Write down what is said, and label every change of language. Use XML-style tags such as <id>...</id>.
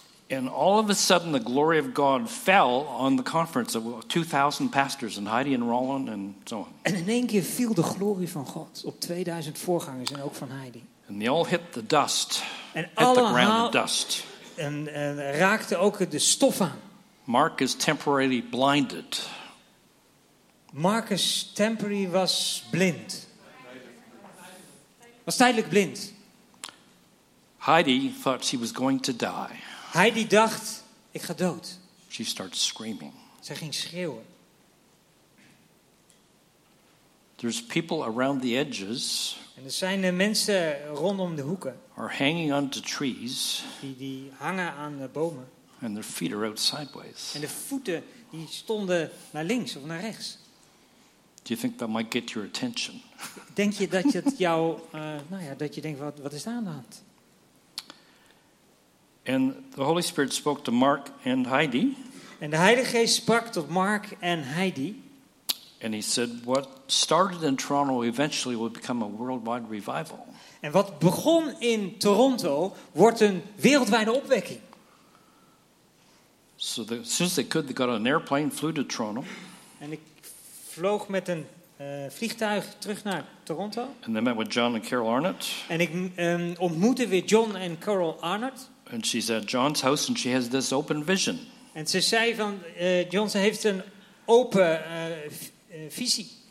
<en>And all of a sudden the glory of God fell on the conference of 2000 pastors and Heidi and Roland and so on.</en> <nl>En in één keer viel de glorie van God op 2000 voorgangers en ook van Heidi.</nl> <en>And they all hit the dust.</en> <nl>En allemaal raakte ook de stof aan.</nl> <en>Mark is temporarily blinded.</en> <nl>Marcus temporary was blind. Was tijdelijk blind.</nl> <en>Heidi thought she was going to die.</en> <nl>Heidi dacht, ik ga dood.</nl> <en>She starts screaming.</en> <nl>Zij ging schreeuwen.</nl> <en>There's people around the edges.</en> <nl>En er zijn mensen rondom de hoeken.</nl> <en>Are hanging onto trees.</en> <nl>Die hangen aan de bomen.</nl> <en>And their feet are out sideways.</en> <nl>En de voeten die stonden naar links of naar rechts.</nl> <en>Do you think that might get your attention?</en> <nl>Denk je dat het jou, dat je denkt, wat is daar aan de hand?</nl> <en>And the Holy Spirit spoke to Mark and Heidi.</en> <nl>En de Heilige Geest sprak tot Mark en Heidi.</nl> <en>And he said, "What started in Toronto eventually will become a worldwide revival."</en> <nl>En wat begon in Toronto wordt een wereldwijde opwekking.</nl> <en>So as soon as they could, they got an airplane, flew to Toronto.</en> <nl>En ik vloog met een vliegtuig terug naar Toronto.</nl> <en>And they met with John and Carol Arnott.</en> <nl>En ik ontmoette weer John en Carol Arnott.</nl> <en>And she's at John's house and she has this open vision.</en> <nl>En ze zei van John, ze heeft een open visie.</nl>